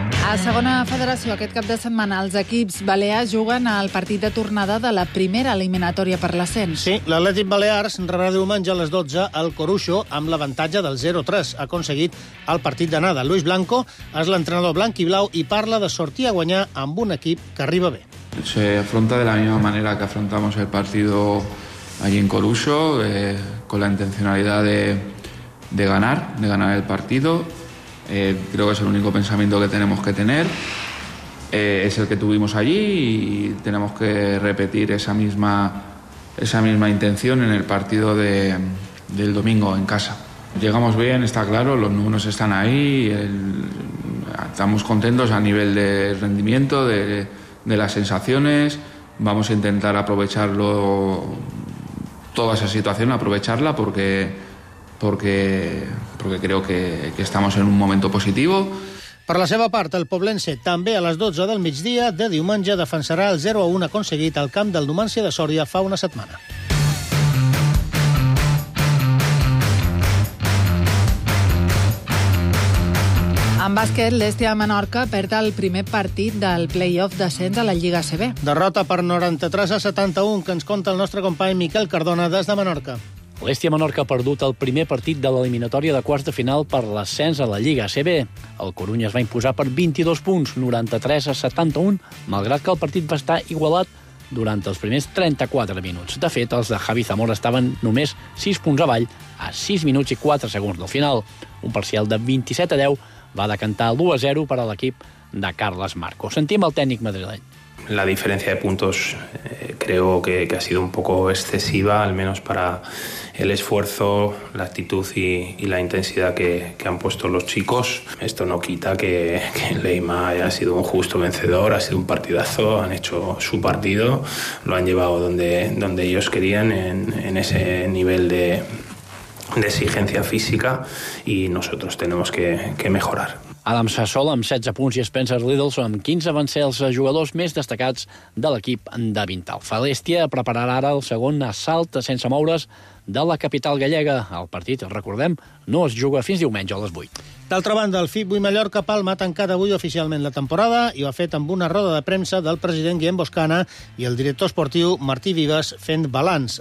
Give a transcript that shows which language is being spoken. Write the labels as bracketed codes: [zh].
[ca] A segona federació aquest cap de setmana els equips balears juguen al partit de tornada de la primera eliminatòria per l'ascens. Sí, l'Atlètic Balears rebrà diumenge a les 12 al Corujo amb l'avantatge del 0-3 aconseguit al partit d'anada. Luis Blanco és l'entrenador blanc i blau i parla de sortir a guanyar amb un equip que arriba bé. [es] Se afronta de la misma manera que afrontamos el partido allí en Corujo, con la intencionalidad de ganar el partido. Creo que es el único pensamiento que tenemos que tener. Es el que tuvimos allí y tenemos que repetir esa misma intención en el partido del domingo en casa. Llegamos bien, está claro, los números están ahí. Estamos contentos a nivel de rendimiento, de las sensaciones. Vamos a intentar aprovecharlo, toda esa situación, aprovecharla porque creo que estamos en un momento positivo. [ca] Per la seva part, el Poblense, també a les 12 del migdia de diumenge, defensarà el 0-1 aconseguit al camp del Numancia de Sòria fa una setmana. En bàsquet, l'Estia Menorca perd el primer partit del play-off d'ascens a la Lliga CB. Derrota per 93-71, que ens conta el nostre company Miquel Cardona des de Menorca. L'Estia Menorca ha perdut el primer partit de l'eliminatòria de quarts de final per l'ascens a la Lliga CB. El Corunya es va imposar per 22 punts, 93-71, malgrat que el partit va estar igualat durant els primers 34 minuts. De fet, els de Javi Zamora estaven només 6 punts avall a 6 minuts i 4 segons del final. Un parcial de 27-10 va decantar l'1-0 per a l'equip de Carles Marco. Sentim el tècnic madrileny. [es] La diferencia de puntos creo que ha sido un poco excesiva, al menos para el esfuerzo, la actitud y la intensidad que han puesto los chicos. Esto no quita que Leima haya sido un justo vencedor, ha sido un partidazo, han hecho su partido, lo han llevado donde ellos querían, en ese nivel de exigencia física, y nosotros tenemos que mejorar. [ca] Adam Sassol amb 16 punts i Spencer Liddleson amb 15 van ser els jugadors més destacats de l'equip de Vintal. Falestia prepararà ara el segon assalt sense moure's de la capital gallega. El partit, recordem, no es juga fins diumenge a les 8. D'altra banda, el Fitbui Mallorca-Palma ha tancat avui oficialment la temporada i ho ha fet amb una roda de premsa del president Guillem Boscana i el director esportiu Martí Vives fent balanç.